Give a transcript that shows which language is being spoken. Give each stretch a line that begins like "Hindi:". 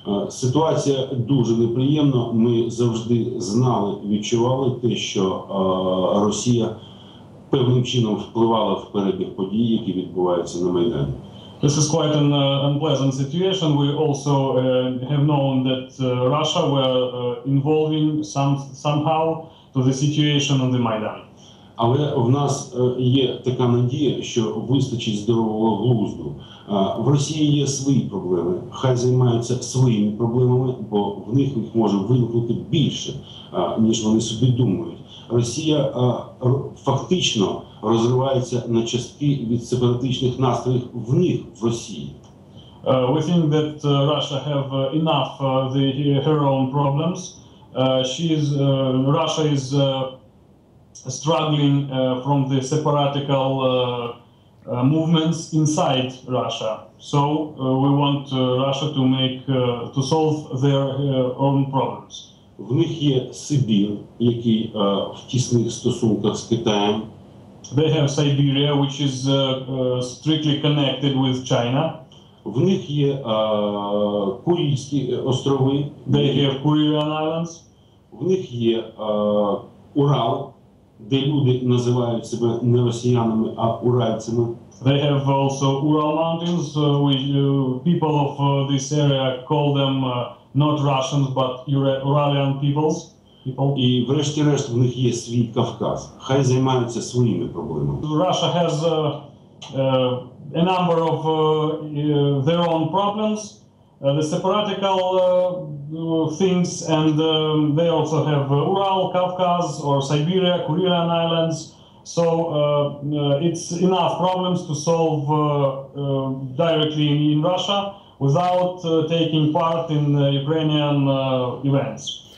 Ukrainian: Ситуація дуже неприємна. Ми завжди знали, відчували те, що Росія певним чином впливала в перебіг подій, які відбуваються на Майдані.
English: This is quite an unpleasant situation. We also have known that Russia were involving somehow to the situation on the Maidan.
Ukrainian: Але в нас є така надія, що вистачить здорового глузду. В Росії є свої проблеми. Хай займаються своїми проблемами, бо в них їх може виникнути більше, ніж вони собі думають. Росія фактично розривається на частки від сепаратичних настроїв в них, в Росії.
English: We think that Russia have enough her own problems. Russia is struggling from the separatical movements inside Russia. So we want Russia to make to solve their own problems.
Ukrainian: В них є Сибір, який в тісних стосунках з Китаєм.
English: They have Siberia, which is strictly connected with China.
Ukrainian: В них є Курильські острови.
English: They have Kurilian Islands.
Ukrainian: В них є Урал, де люди називають себе не росіянами, а уральцями.
English: They have also Ural Mountains, which people of this area call them not Russians, but Uralian peoples.
Ukrainian: І врешті-решт в них є свій Кавказ. Хай займаються своїми проблемами.
English: Russia has a number of their own problems. The separatical things, and they also have Ural, Kavkaz, or Siberia, Kurilian Islands. So it's enough problems to solve directly in Russia without taking part in Ukrainian events.